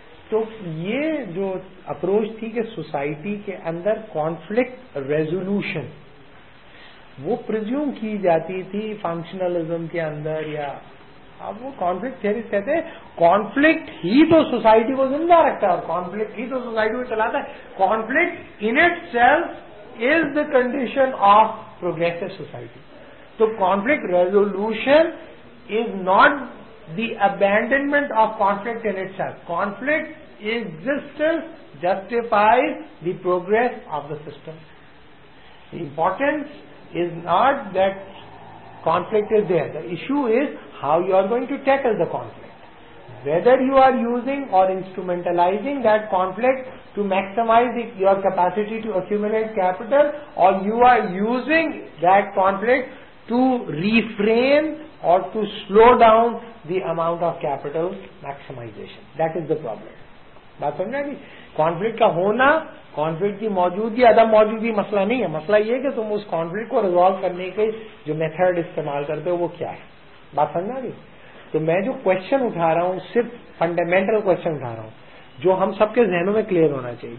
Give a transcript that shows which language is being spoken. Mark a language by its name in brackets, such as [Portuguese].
[Urdu] تو یہ جو اپروچ تھی کہ سوسائٹی کے اندر کانفلکٹ ریزولوشن وہ پریزیوم کی جاتی تھی فنکشنلزم کے اندر, یا اب وہ کانفلکٹ تھیورسٹ کہتے ہیں کانفلکٹ ہی تو سوسائٹی کو زندہ رکھتا ہے اور کانفلکٹ ہی تو سوسائٹی کو چلاتا ہے. [English] Conflict in itself is the condition of progressive society. تو conflict resolution is not the abandonment of conflict in itself. Conflict existence justifies the progress of the system. Importance is not that conflict is there. The issue is how you are going to tackle the conflict. Whether you are using or instrumentalizing that conflict to maximize your capacity to accumulate capital, or you are using that conflict to reframe or to slow down the amount of capital maximization. That is the problem. [Urdu] بات سمجھا جی, conflict کا ہونا, conflict کی موجودگی, عدم موجودگی مسئلہ نہیں ہے. مسئلہ یہ کہ تم اس کانفلکٹ کو ریزالو کرنے کے جو میتھڈ استعمال کرتے ہو وہ کیا ہے. بات سمجھا جی, تو میں جو کوشچن اٹھا رہا ہوں صرف فنڈامینٹل کوشچن اٹھا رہا ہوں جو ہم سب کے ذہنوں میں کلیئر ہونا چاہیے.